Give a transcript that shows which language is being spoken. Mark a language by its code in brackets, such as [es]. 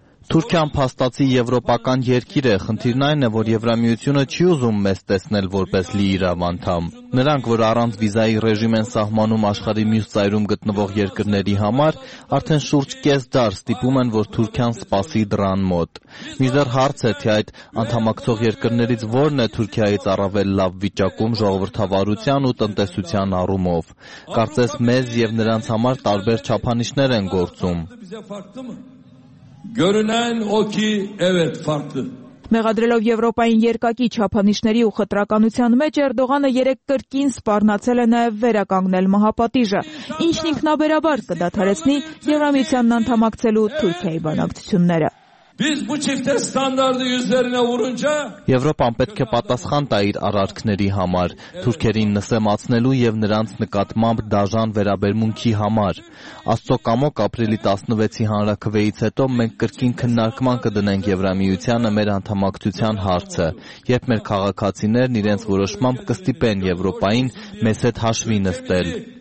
[hy] Թուրքիան փաստացի եվրոպական երկիր է, խնդիրն այն է, որ Եվրամիությունը չի ուզում մեզ տեսնել որպես լի իրավանդամ։ Նրանք, որ առանց վիզայի ռեժիմ են սահմանում աշխարհի մյուս ծայրում գտնվող երկրների համար, արդեն շուրջ կես դար ստիպում են, որ Թուրքիան սպասի դրան մոտ։ Միջդեռ հարց է, թե այդ անդամակցող երկրներից որն է Թուրքիայից առավել լավ վիճակում ժողովրդավարության ու տնտեսության առումով։ Կարծես մեզ և նրանց համար տարբեր չափանիշներ են գործում։ [tr] Görünen o ki evet farklı. [hy] Մեղադրելով Եվրոպային երկակի չափանիշների ու խտրականության մեջ, Էրդողանը 3 կրկին սպառնացել է նաև վերականգնել մահապատիժը, ինչն ինքնաբերաբար կդադարեցնի Եվրամիությանն անդամակցելու Թուրքիայի բանակցությունները։ [tr] Biz bu çifte standardı yüzlerine vurunca [hy] Եվրոպան պետք է պատասխան տա իր առարկների համար, թուրքերին նսեմացնելու և նրանց նկատմամբ դաժան վերաբերմունքի համար։ Աստծո կամոք ապրիլի 16-ի հանրաքվեից հետո մենք կրկին քննարկման կդնենք Եվրամիությանը մեր անդամակցության հարցը, երբ մեր քաղաքացիներն իրենց որոշմամբ կստիպեն Եվրոպային մեզ հետ հաշվի նստել։